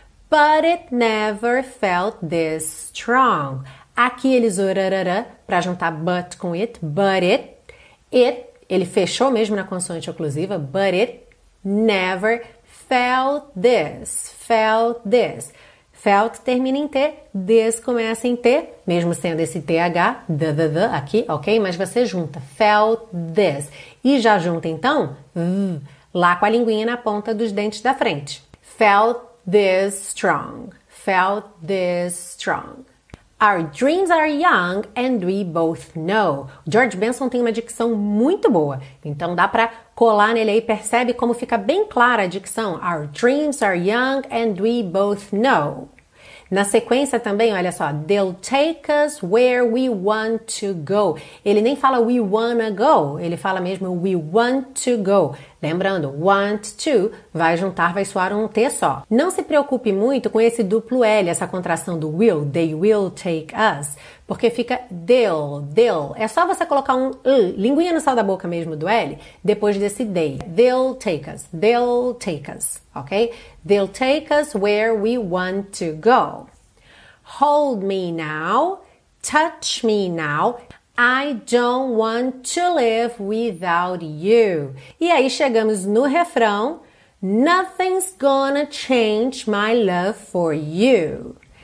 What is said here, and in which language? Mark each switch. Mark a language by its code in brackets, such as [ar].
[en] But it never felt this strong. [pt] Aqui ele usou rarara para juntar but com it. But ele fechou mesmo na consoante oclusiva. [en] But it never felt this, felt this. [pt] Felt termina em T, this começa em T, mesmo sendo esse TH, the, aqui, ok? Mas você junta [en] felt this. [pt] E já junta então, lá com a linguinha na ponta dos dentes da frente. [en] Felt this strong, felt this strong. Our dreams are young and we both know. [pt] George Benson tem uma dicção muito boa, então dá para colar nele aí, percebe como fica bem clara a dicção. [en] Our dreams are young and we both know. [pt] Na sequência também, olha só, [en] they'll take us where we want to go. [pt] Ele nem fala [en] we wanna go, [pt] ele fala mesmo [en] we want to go. [pt] Lembrando, want to vai juntar, vai soar um T só. Não se preocupe muito com esse duplo L, essa contração do will, [en] they will take us, [pt] porque fica they'll. É só você colocar um linguinha no sal da boca mesmo do L, depois desse they. [en] They'll take us, ok? They'll take us where we want to go. Hold me now, touch me now. I don't want to live without you. E aí chegamos no refrão. Nothing's gonna change my love for you.